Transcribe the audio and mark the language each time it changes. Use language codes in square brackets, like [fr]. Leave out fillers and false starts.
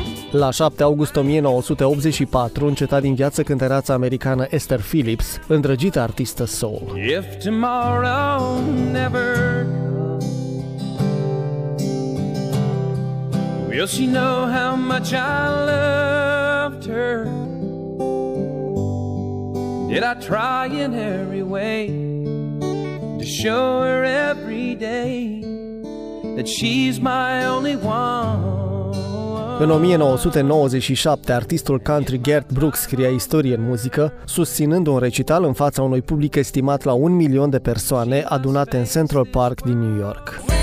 [ro] La 7 august 1984 înceta din viață cântăreața americană Esther Phillips, îndrăgită artistă soul. [en] If tomorrow never comes, will she know how much I loved her? Did I try in every way to show her every day that she's my only one? [ro] În 1997, artistul country Garth Brooks scria istorie în muzică, susținând un recital în fața unui public estimat la 1 milion de persoane adunate în Central Park din New York.